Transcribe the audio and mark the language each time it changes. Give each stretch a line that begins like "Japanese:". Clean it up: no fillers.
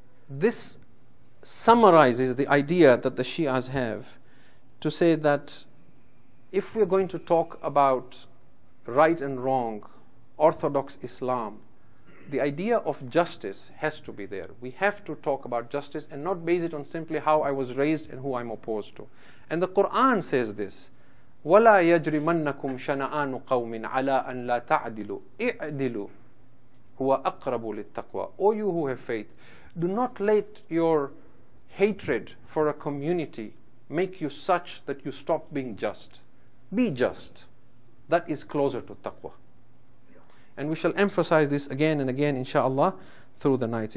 English: This summarizes the idea that the Shias have to say that if we're going to talk about right and wrong, Orthodox Islam, the idea of justice has to be there. We have to talk about justice and not base it on simply how I was raised and who I'm opposed to. And the Quran says this,
Arabic: وَلَا يَجْرِمَنَّكُمْ شَنَآنُ قَوْمٍ عَلَىٰ أَنْ لَا تَعْدِلُوا اِعْدِلُوا هُوَ أَقْرَبُ لِلتَّقْوَىٰ.
English: O you who have faith, do not let your hatred for a community make you such that you stop being just. Be just. That is closer to taqwa. And we shall emphasize this again and again, inshallah, through the nights.